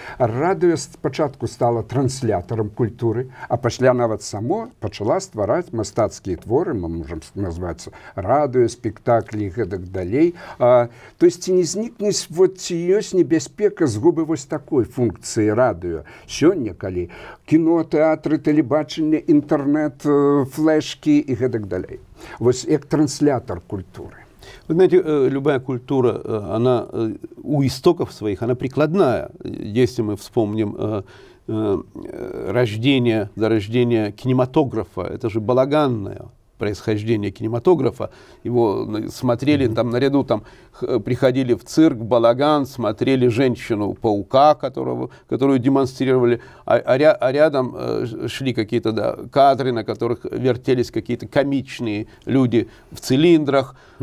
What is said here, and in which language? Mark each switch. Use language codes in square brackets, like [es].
[be] Радыё з пачатку стала транслятором культуры, а пасля нават само пачала ствараць мастацкія творы, мы можам назваць радыё, спектаклі і гэтак далей. [ru] То есть [be] не знікнець, вот ці ёсць небяспека згубы вось такой функцыі радыё. Сёння, калі кіно, тэатры, тэлебачанне, інтэрнэт, флэшкі і гэтак далей. Вось як транслятор культуры. [ru] Вы знаете, любая культура, она у истоков своих, она прикладная. Если мы вспомним рождение, зарождение кинематографа, это же балаганное происхождение кинематографа. Его смотрели там наряду, там приходили в цирк, в балаган, смотрели женщину-паука, которую демонстрировали, а рядом шли какие-то, да, кадры, на которых вертелись какие-то комичные люди в цилиндрах.